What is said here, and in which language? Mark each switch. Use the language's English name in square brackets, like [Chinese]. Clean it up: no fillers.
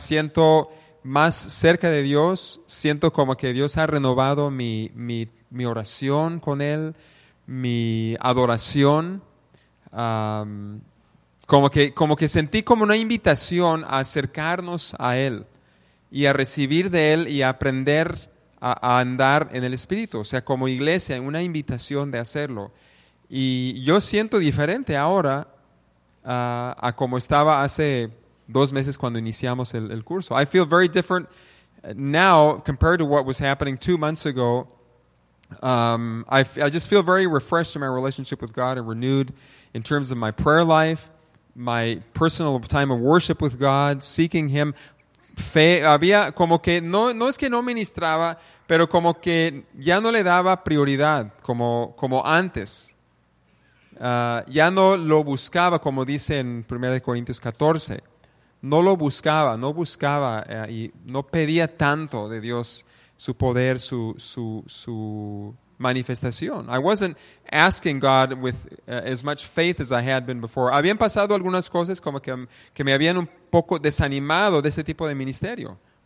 [Spanish] Siento más cerca de Dios, siento como que Dios ha renovado mi oración con Él, mi adoración, como que sentí como una invitación a acercarnos a Él y a recibir de Él y a aprender a andar en el Espíritu. O sea, como iglesia, una invitación de hacerlo. Y yo siento diferente ahora a como estaba hace 2 meses cuando iniciamos el curso. [English] I feel very different now compared to what was happening 2 months ago. I just feel very refreshed in my relationship with God and renewed in terms of my prayer life, my personal time of worship with God, seeking Him. [Spanish] Fe, había como que, no es que no ministraba, pero como que ya no le daba prioridad como antes. Ya no lo buscaba, como dice en 1 Corintios 14. No lo buscaba, no buscaba y no pedía tanto de Dios su poder, su manifestación. [English] I wasn't asking God with as much faith as I had been before. [Spanish] Habían pasado algunas cosas como que me habían un poco desanimado de ese tipo de ministerio.